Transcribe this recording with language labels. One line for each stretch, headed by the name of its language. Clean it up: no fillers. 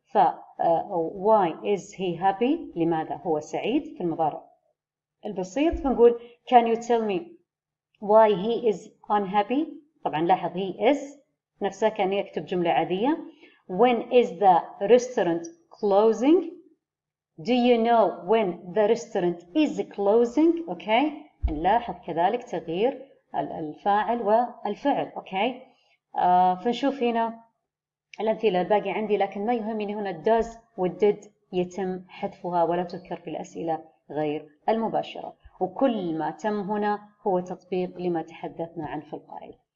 Arabic: ف
English: why is he happy؟
Arabic: لماذا هو سعيد في المضارع البسيط. فنقول
English: can you tell me why he is unhappy؟
Arabic: طبعا لاحظ he is نفسها كأني أكتب جملة عادية.
English: When is the restaurant closing? Do you know when the restaurant is closing? Okay.
Arabic: نلاحظ كذلك تغيير الفاعل والفعل.
English: Okay.
Arabic: فنشوف هنا الأمثلة الباقي عندي، لكن ما يهمني هنا does و did يتم حذفها ولا تذكر في الأسئلة غير المباشرة، وكل ما تم هنا هو تطبيق لما تحدثنا عن في القائل.